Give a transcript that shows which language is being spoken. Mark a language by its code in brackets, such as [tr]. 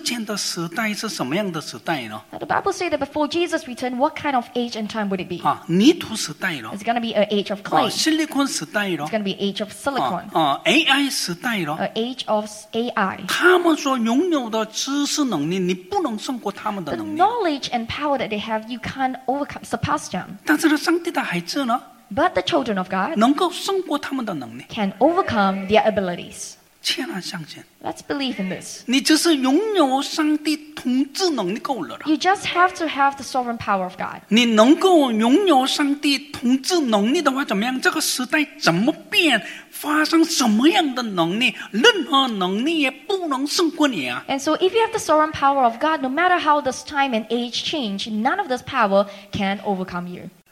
[zh] 예수再来之前的时代是什么样的时代呢? [en] The Bible says that before Jesus returned, what kind of age and time would it be? [zh] 아, 泥土时代了. [en] It's going to be an age of clay. [zh] 실리콘时代了. [en] It's going to be an age of silicon. [zh] 啊，AI时代了. [en] An age of AI. [zh] 他们所拥有的知识能力，你不能胜过他们的能力. [en] The knowledge and power that they have, you can't overcome, surpass them. [zh] 但是呢，上帝的孩子呢？ [en] But the children of God [zh] 能够胜过他们的能力. [en] Can overcome their abilities. [zh] 千万相信, [en] Let's believe in this. [zh] 你只是拥有上帝统治能力够了啦, [en] you just have to have the sovereign power of God. [zh] 你能够拥有上帝统治能力的话, 怎么样? 这个时代怎么变?发生什么样的能力? 任何能力也不能胜过你啊。 [en] And so if you have the sovereign power of God, no matter how this time and age change, none of this power can overcome you.